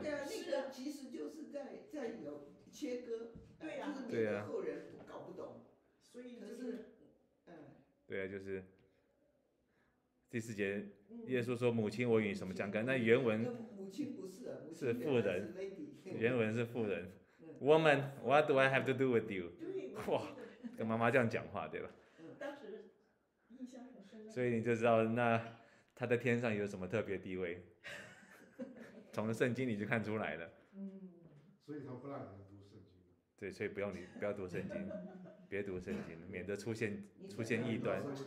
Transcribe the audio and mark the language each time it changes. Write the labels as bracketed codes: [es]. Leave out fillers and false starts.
[zh] 对啊，那个其实就是在有切割。对呀、啊，就是免得后人搞不懂，所以就是，对呀、啊，就是第四节，耶稣说：“ 嗯、母亲，我与你什么相干？”那原文，母亲不是，母亲是妇人，原文是妇人、嗯、 [en] ，Woman, what do I have to do with you？ [zh] 对，哇，跟妈妈这样讲话，对吧？当时印象很深。所以你就知道，那他在天上有什么特别地位，从圣经里就看出来了。嗯，所以他不让人。对，所以不用你不要读圣经，别读圣经，免得出现异端。